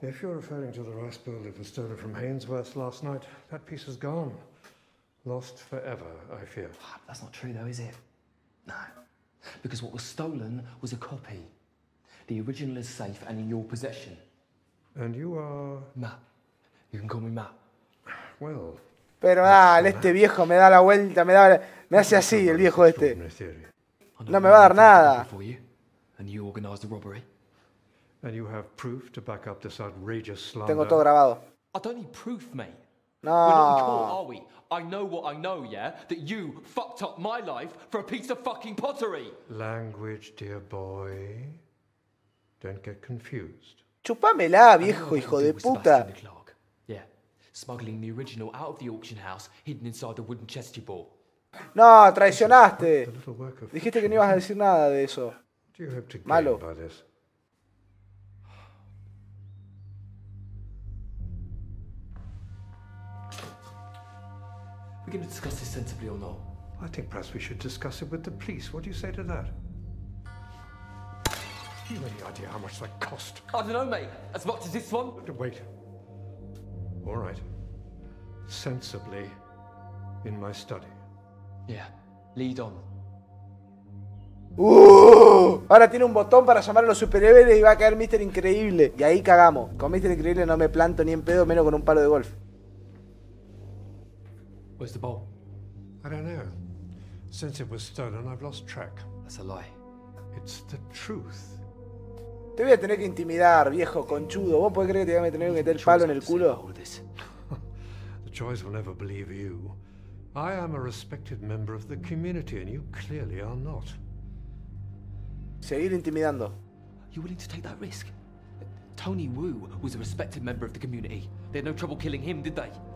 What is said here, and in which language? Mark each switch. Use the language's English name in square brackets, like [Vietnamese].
[English] If you're referring to the rice bowl that was stolen from Hainsworth last night, that piece is gone. Lost forever, I fear. That's not true, though, is it? No. Because what was stolen was a copy. The original is safe and in your possession. And you are... Matt. You can call me Matt. Well... [Spanish] Pero dale, este viejo me da la vuelta, me hace así el viejo este. No me va a dar nada. [English] And you organized the robbery. And you have proof to back up this outrageous slander. [Spanish] Tengo todo grabado. [English] I don't need proof, mate. No. We're not in court, are we? I know what I know, yeah? That you fucked up my life for a piece of fucking pottery. Language, dear boy. Don't get confused. [Spanish] Chupamela, viejo hijo de puta. [English] Yeah. Smuggling the original out of the auction house, hidden inside the wooden chest you bought. [Spanish] No, traicionaste. Dijiste que no ibas a decir nada de eso. [English] You hope to gain Malo. By this. We're going to discuss this sensibly or not? I think perhaps we should discuss it with the police. What do you say to that? Do you have any idea how much that cost? I don't know, mate. As much as this one? Wait. All right. Sensibly, in my study. Yeah. Lead on. [Spanish] Ahora tiene un botón para llamar a los superhéroes y va a caer Mr. Increíble. Y ahí cagamos. Con Mr. Increíble no me planto ni en pedo, menos con un palo de golf. [English] Where's the ball? I don't know. Since it was stolen, I've lost track. That's a lie. It's the truth. [Spanish] Te voy a tener que intimidar, viejo conchudo. ¿Vos podés creer que te voy a tener que meter el palo en el culo? [English] The choice will never believe you. I am a respected member of the community, and you clearly are not. [Spanish] Seguir intimidando. [English] You willing to take that risk? Tony Wu was a respected member of the community. They had no trouble killing him, did they?